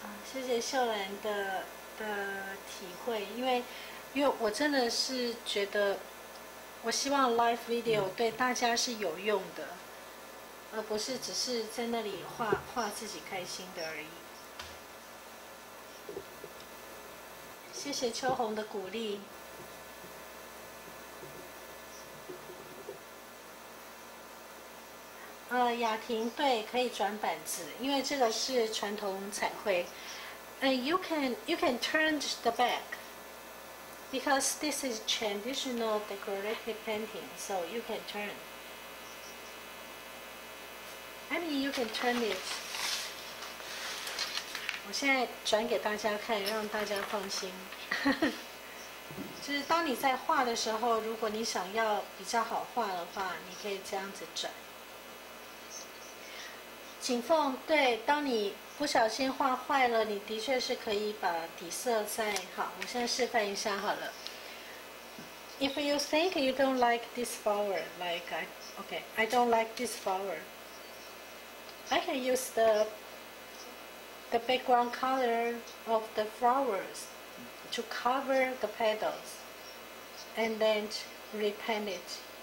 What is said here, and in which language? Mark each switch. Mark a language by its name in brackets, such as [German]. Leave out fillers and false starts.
[Chinese] 谢谢秀兰的体会，因为我真的是觉得，我希望 live video 对大家是有用的，而不是只是在那里画自己开心的而已。谢谢秋红的鼓励。雅婷，对，可以转板子，因为这个是传统彩绘。 [English] You can turn the back because this is traditional decorative painting, so you can turn. I mean, you can turn it. [Chinese] 我现在转给大家看，让大家放心。就是当你在画的时候，如果你想要比较好画的话，你可以这样子转。景凤，对，当你不小心画坏了，你的确是可以把底色再好。我现在示范一下好了。 [English] If you think you don't like this flower, like I don't like this flower, I can use the background color of the flowers to cover the petals and then repaint it.